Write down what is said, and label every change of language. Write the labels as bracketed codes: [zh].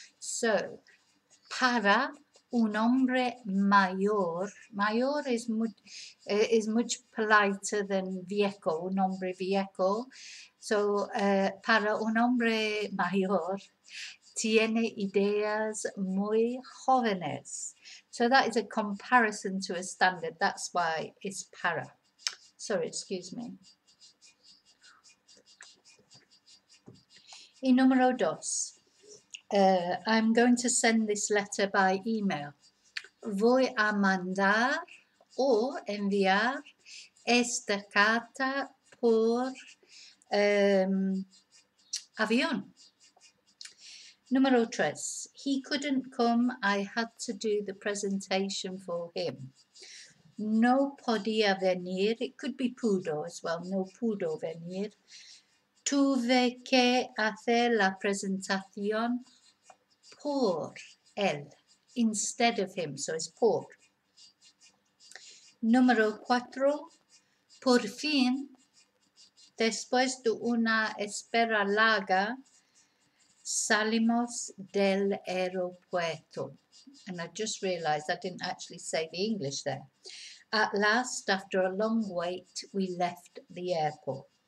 [es] So, para un hombre mayor, [en] is much politer than [es] viejo, un hombre viejo. So, para un hombre mayor, tiene ideas muy jóvenes. [en] So that is a comparison to a standard. That's why it's para. Sorry, excuse me. [es] Y número dos. [en] I'm going to send this letter by email. [es] Voy a mandar o enviar esta carta por avión. Número tres, [en] he couldn't come, I had to do the presentation for him. [es] No podía venir, [en] it could be [es] pudo [en] as well, [es] no pudo venir. Tuve que hacer la presentación por él, [en] instead of him, so it's [es] por. Número cuatro, por fin, después de una espera larga, salimos del aeropuerto. [en] And I just realized I didn't actually say the English there. At last, after a long wait, we left the airport.